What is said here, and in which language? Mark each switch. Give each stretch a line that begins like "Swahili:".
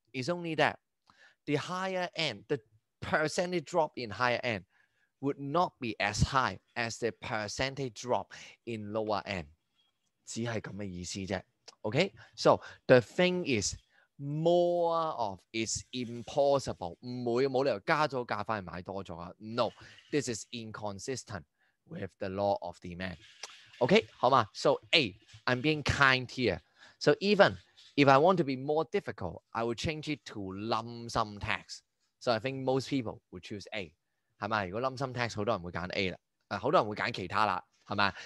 English: It's only that the higher end, the percentage drop in higher end would not be as high as the percentage drop in lower end.
Chinese: 只是这样的意思而已.
English: Okay, so the thing is, more of is impossible.
Chinese: 不会，没理由加了价反而买多了.
English: No, this is inconsistent with the law of demand. Okay,
Chinese: 好吗?
English: So A, I'm being kind here. So even if I want to be more difficult, I will change it to lump sum tax. So I think most people would choose A.
Chinese: 是吗?如果 lump sum tax, 很多人会选A了, 很多人会选其他了.是吧?